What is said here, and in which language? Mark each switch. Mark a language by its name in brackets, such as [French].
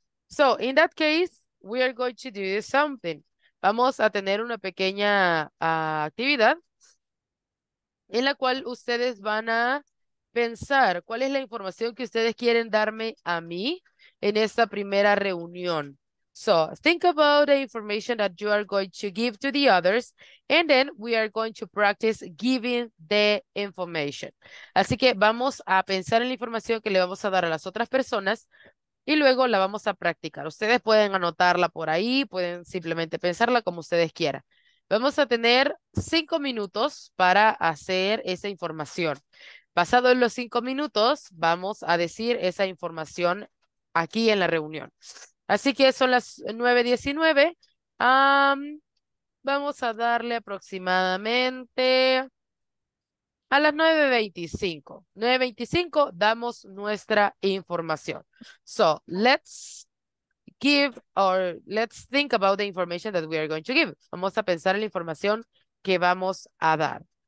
[English] So, in that case, we are going to do something. [Spanish] Vamos a tener una pequeña actividad en la cual ustedes van a pensar cuál es la información que ustedes quieren darme a mí en esta primera reunión. [English] So, think about the information that you are going to give to the others, and then we are going to practice giving the information. [Spanish] Así que vamos a pensar en la información que le vamos a dar a las otras personas y luego la vamos a practicar. Ustedes pueden anotarla por ahí, pueden simplemente pensarla como ustedes quieran. Vamos a tener 5 minutos para hacer esa información. Pasados los 5 minutos, vamos a decir esa información aquí en la reunión. Así que son las 9:19. Vamos a darle aproximadamente a las 9:25. 9:25 damos nuestra información. [English] So, let's think about the information that we are going to give. [Spanish] Vamos a pensar en la información que vamos a dar.